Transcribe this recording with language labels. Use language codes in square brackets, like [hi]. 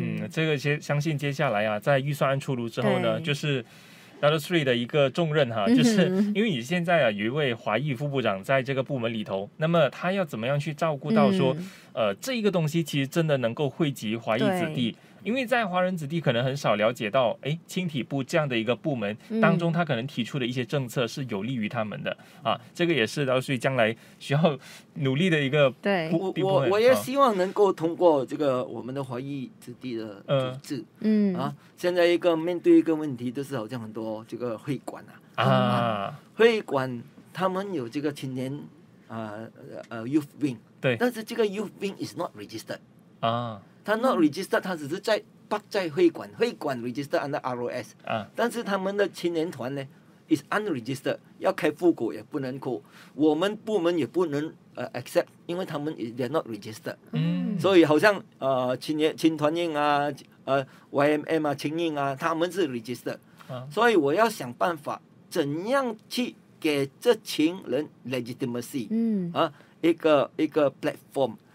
[zh] 这个相信接下来在预算案出炉之后呢，就是Dato Sri 的一个重任就是因为你现在有一位华裔副部长在这个部门里头，那么他要怎么样去照顾到说这一个东西其实真的能够惠及华裔子弟，因为在华人子弟可能很少了解到青体部这样的一个部门当中他可能提出的一些政策是有利于他们的这个也是Dato Sri将来需要努力的一个部分。我也希望能够通过这个我们的华裔子弟的组织现在一个面对一个问题就是好像很多这个会馆会馆他们有这个青年Youth Wing，对，但是这个 [en] Youth Wing is not registered 啊， [zh] 他 [en] not register， [zh] 他只是在不在会馆，会馆 register under ROS 但是他们的青年团呢 [en] is unregistered， [zh] 要开户口也不能扣，我们部门也不能accept， 因为他们 [en] they're not registered [zh] 所以好像青团营YMM 青营他们是 registered 所以我要想办法怎样去给这群人 legitimacy 一个 platform。